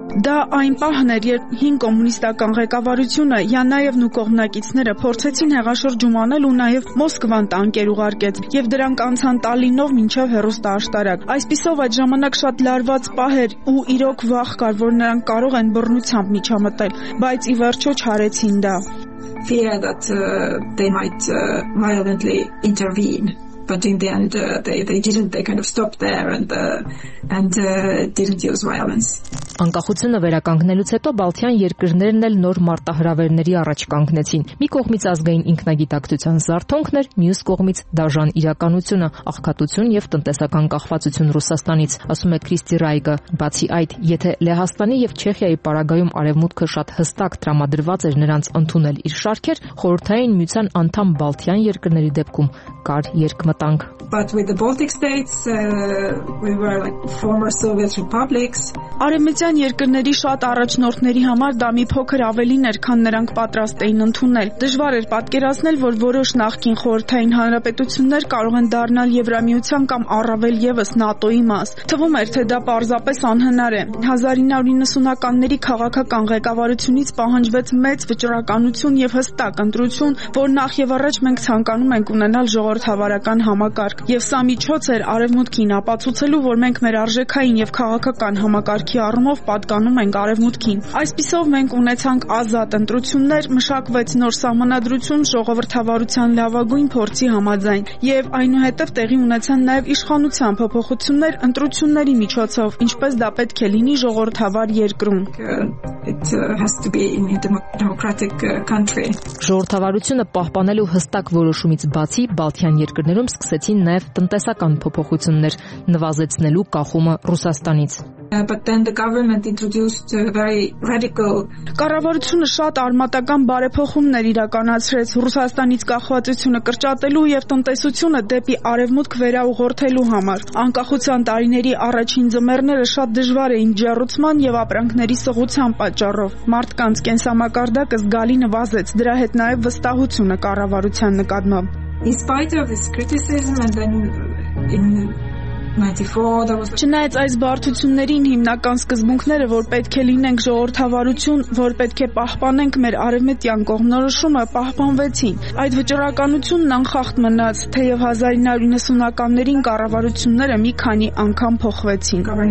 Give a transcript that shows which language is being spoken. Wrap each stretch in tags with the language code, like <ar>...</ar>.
<hy>Դա այն պահն էր, երբ հին կոմունիստական ղեկավարությունը Յանայև ու կողմնակիցները փորձեցին հեղաշրջում անել ու նաև Մոսկվան տանկեր ուղարկեց, եւ դրանք անցան Տալինով մինչև հեռուստաաշտարակ։ Այսպիսով այդ ժամանակ շատ լարված պահ էր ու իրոք վախ կար, որ նրանք կարող են բռնությամբ միջամտել, բայց ի վերջո չարեցին դա.</hy> <en>Fear that they might violently intervene, but in the end they didn't use violence.</en> <hy>Անկախությունը վերականգնելուց հետո Բալթյան երկրներն էլ նոր մարտահրավերների առաջ կանգնեցին։ Մի կողմից ազգային ինքնագիտակցության զարթոնքն էր, մյուս կողմից դաժան իրականությունը, աղքատություն եւ տնտեսական կախվածություն Ռուսաստանից, ասում է Քրիստի Ռայգը։ Բացի այդ, եթե Լեհաստանի եւ Չեխիայի պարագայում արևմուտքը շատ հստակ տրամադրված էր նրանց ընդունել իր շարքեր, խորհրդային միության անդամ Բալթյան երկրների դեպքում կար երկմտանք։</hy> <en>But with the Baltic states we were like former Soviet republics.</en> <hy>Արևմտյան երկրների շատ առաջնորդների համար դա մի փոքր ավելին էր, քան նրանք պատրաստ էին ընդունել։ Դժվար էր պատկերացնել, որ որոշ նախկին խորհրդային հանրապետություններ կարող են դառնալ Եվրամիության կամ առավել ևս ՆԱՏՕ-ի մաս։ Թվում էր, թե դա պարզապես անհնար է։ 1990-ականների քաղաքական ղեկավարությունից պահանջվեց մեծ վճռականություն եւ հստակ ընտրություն, որ նախ եւ առաջ մենք ցանկանում ենք ունենալ ժողովրդավարական համակարգ, եւ սա միջոց էր արևմուտքին ապացուցելու, որ մենք մեր արժեքային եւ քաղաքական համակարգի առումով պատկանում ենք արևմուտքին։ Այսպիսով մենք ունեցանք ազատ ընտրություններ, մշակվեց նոր սահմանադրություն ժողովրդավարության լավագույն փորձի համաձայն, եւ այնուհետեւ տեղի ունեցան նաեւ իշխանության փոփոխություններ ընտրությունների միջոցով, ինչպես դա պետք է լինի ժողովրդավար երկրում։</hy> <en>It has to be in a democratic country.</en> <hy>Ժողովրդավարությունը պահպանելու հստակ որոշումից բացի Բալթյան երկրներում սկսեցին նաև տնտեսական փոփոխություններ, նվազեցնելու կախումը Ռուսաստանից։</hy> <en>But then the government introduced a very radical.</en> <hy>Կառավարությունը շատ արմատական բարեփոխումներ իրականացրեց Ռուսաստանից կախվածությունը կրճատելու եւ տնտեսությունը դեպի արևմուտք վերաուղորթելու համար։ Անկախության տարիների առաջին ձմեռները շատ դժվար էին ջեռուցման եւ ապրանքների սղության պատճառով։ Մարդկանց կենսամակարդակը զգալի նվազեց, դրա հետ նաեւ վստահությունը կառավարության նկատմամբ։</hy> <en>In spite of this criticism and then in 94 there was</en> <hy>Չնայած այս բարդություններին հիմնական սկզբունքները, որ պետք է լինենք ժողովրդավարություն, որ պետք է պահպանենք մեր արևմտյան կողմնորոշումը, պահպանվեցին։ Այդ վճռականությունն անխախտ մնաց, թեև 1990-ականներին կառավարությունները մի քանի անգամ փոխվեցին։</hy>